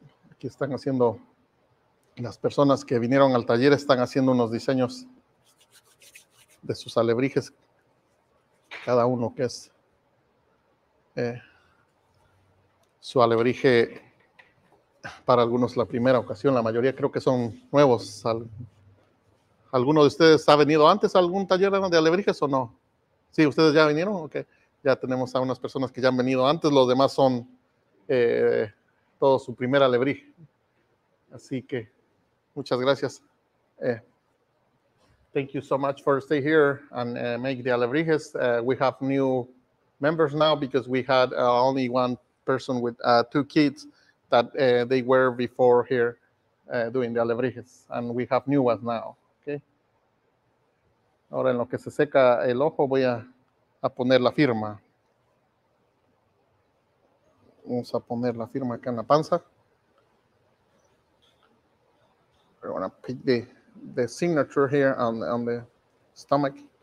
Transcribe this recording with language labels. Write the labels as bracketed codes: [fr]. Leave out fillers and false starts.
[es] Aquí están haciendo, las personas que vinieron al taller están haciendo unos diseños de sus alebrijes, cada uno que es su alebrije, para algunos la primera ocasión, la mayoría creo que son nuevos. ¿Alguno de ustedes ha venido antes a algún taller de alebrijes o no? ¿Sí, ustedes ya vinieron? Okay. Ya tenemos a unas personas que ya han venido antes, los demás son todo su primer alebrije. Así que muchas gracias. [en] Thank you so much for stay here and make the alebrijes. We have new members now because we had only one person with two kids that they were before here doing the alebrijes, and we have new ones now. Okay. [es] Ahora en lo que se seca el ojo voy a poner la firma. Vamos a poner la firma acá en la panza. [en] We're gonna pick the signature here on the stomach.